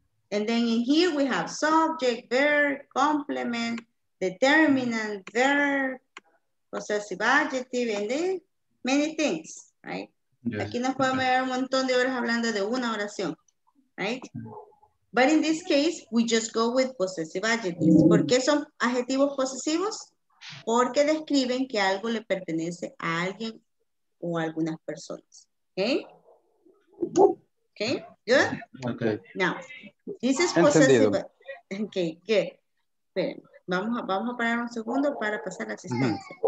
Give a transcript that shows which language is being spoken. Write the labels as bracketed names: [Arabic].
[English] And then in here we have subject, verb, complement, determinant, verb, possessive adjective, and then many things, right? Yes. [Spanish] Aquí nos podemos ver un montón de horas hablando de una oración, right? [English] But in this case, we just go with possessive adjectives. [Spanish] ¿Por qué son adjetivos posesivos? Porque describen que algo le pertenece a alguien o a algunas personas, okay? [English] Okay, good? Okay. Now, this is possessive. Okay, good. [Spanish] Esperen, vamos a parar un segundo para pasar la asistencia.